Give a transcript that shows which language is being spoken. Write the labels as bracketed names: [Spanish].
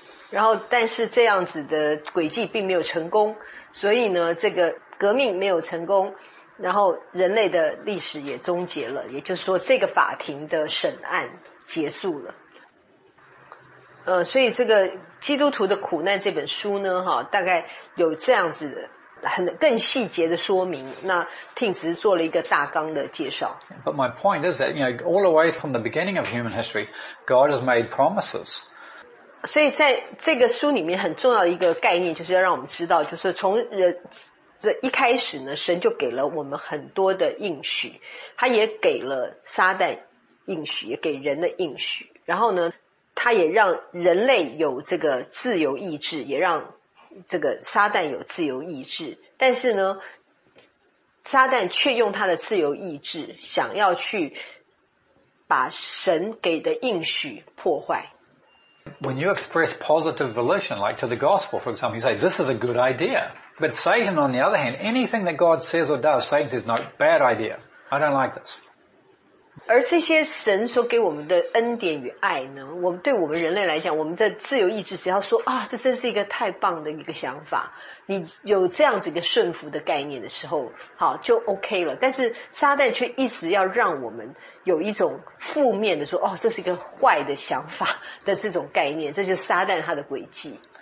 [Chinese] 然后但是这样子的诡计并没有成功，所以呢，这个革命没有成功，然后人类的历史也终结了，也就是说这个法庭的审案结束了。所以这个《基督徒的苦难》这本书呢，哈，大概有这样子的很更细节的说明。那 Tim 只是做了一个大纲的介绍。 [English] But my point is that, you know, all the way from the beginning of human history, God has made promises. [Chinese] 所以在这个书里面很重要的一个概念，就是要让我们知道，就是从人这一开始呢，神就给了我们很多的应许，他也给了撒旦应许，也给人的应许，然后呢，他也让人类有这个自由意志，也让这个撒旦有自由意志。但是呢，撒旦却用他的自由意志想要去把神给的应许破坏。 [English] When you express positive volition, like to the gospel, for example, you say, this is a good idea. But Satan, on the other hand, anything that God says or does, Satan says, no, bad idea. I don't like this. [Chinese] 而这些神所给我们的恩典与爱呢，我们对我们人类来讲，我们的自由意志只要说啊，这真是一个太棒的一个想法，你有这样子一个顺服的概念的时候，好，就 OK 了。但是撒旦却一直要让我们有一种负面的说，哦，这是一个坏的想法的这种概念，这就是撒旦他的诡计。